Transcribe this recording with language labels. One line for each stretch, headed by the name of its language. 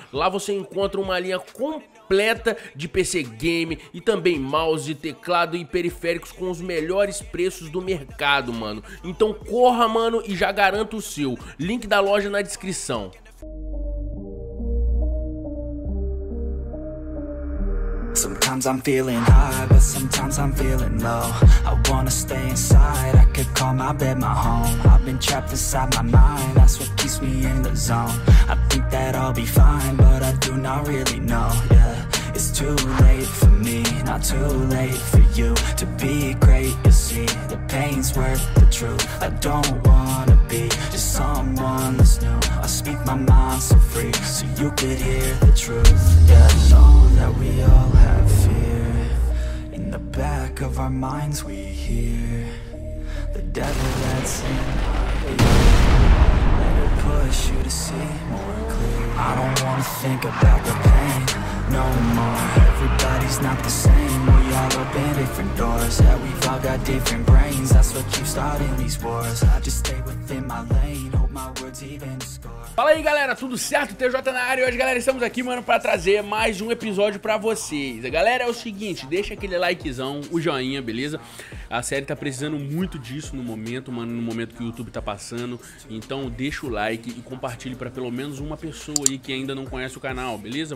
Portuguese: Lá você encontra uma linha completa de PC game e também mouse, teclado e periféricos com os melhores preços do mercado, mano. Então corra, mano, e já garanta o seu. Link da loja na descrição.
English: Sometimes I'm feeling high, but sometimes I'm feeling low. I wanna stay inside, I could call my bed my home. I've been trapped inside my mind, that's what keeps me in the zone. I think that I'll be fine, but I do not really know. Yeah, it's too late for me, not too late for you. To be great, you see, the pain's worth the truth. I don't wanna be just someone that's new. I speak my mind so free, so you could hear the truth. Yeah, I know that we all have fear. In the back of our minds we hear the devil that's in our ear. Let it push you to see more clear. I don't wanna think about the pain no more. Everybody's not the same. We all open different doors. Yeah, we've all got different brains. That's what keeps starting these wars. I just stay within my lane. Hope my words even score.
Portuguese: Fala aí, galera, tudo certo? TJ na área. Hoje, galera, estamos aqui, mano, pra trazer mais um episódio pra vocês. Galera, é o seguinte, deixa aquele likezão, o joinha, beleza? A série tá precisando muito disso no momento, mano, no momento que o YouTube tá passando. Então deixa o like e compartilhe pra pelo menos uma pessoa aí que ainda não conhece o canal, beleza?